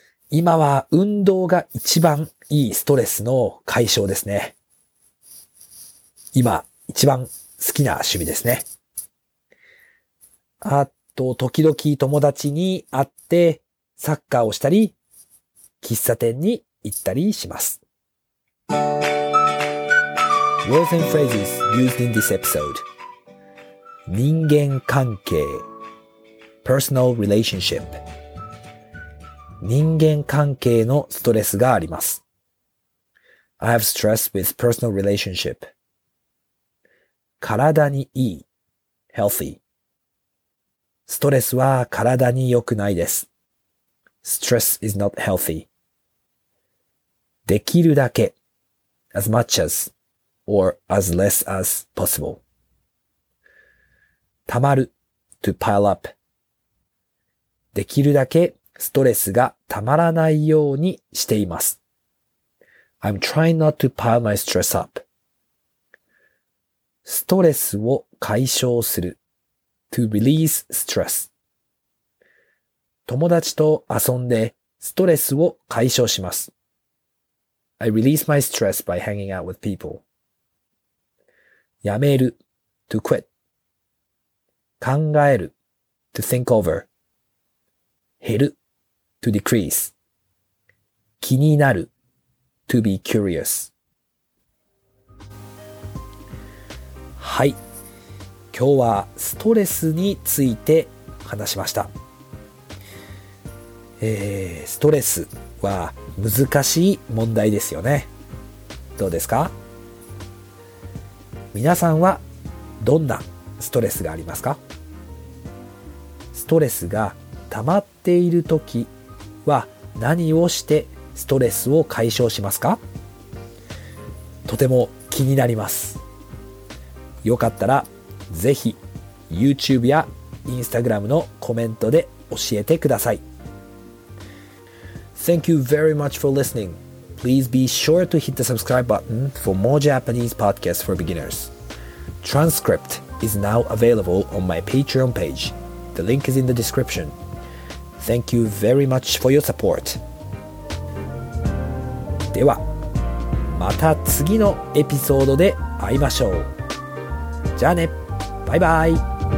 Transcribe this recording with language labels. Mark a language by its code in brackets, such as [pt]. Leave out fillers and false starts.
[ja] 今は運動が一番いいストレスの解消ですね。今一番好きな趣味ですね。あと時々友達に会ってサッカーをしたり、喫茶店に行ったりします。 [en] Words and phrases used in this episode. 人間関係 personal relationship. [ja] 人間関係のストレスがあります。 [en] I have stress with personal relationship. [ja] 体にいい healthy. ストレスは体に良くないです。 [en] Stress is not healthy. できるだけ as much as or as less as possible. たまる to pile up. [ja] できるだけストレスがたまらないようにしています。 [en] I'm trying not to pile my stress up. [ja] ストレスを解消する [en] to release stress. [ja] 友達と遊んでストレスを解消します。 [en] I release my stress by hanging out with people. やめる to quit. 考える to think over. 減る to decrease. 気になる to be curious. [ja] はい。今日はストレスについて話しました。ストレスは難しい問題ですよね。どうですか？皆さんはどんなストレスがありますか？ストレスが溜まっている時は何をしてストレスを解消しますか？とても気になります。よかったらぜひ YouTube や Instagram のコメントで教えてください。 [en] Thank you very much for listening. Please be sure to hit the subscribe button for more Japanese podcasts for beginners. Transcript is now available on my Patreon page. The link is in the description. Thank you very much for your support. [ja] では、また次のエピソードで会いましょう。じゃあね、バイバイ。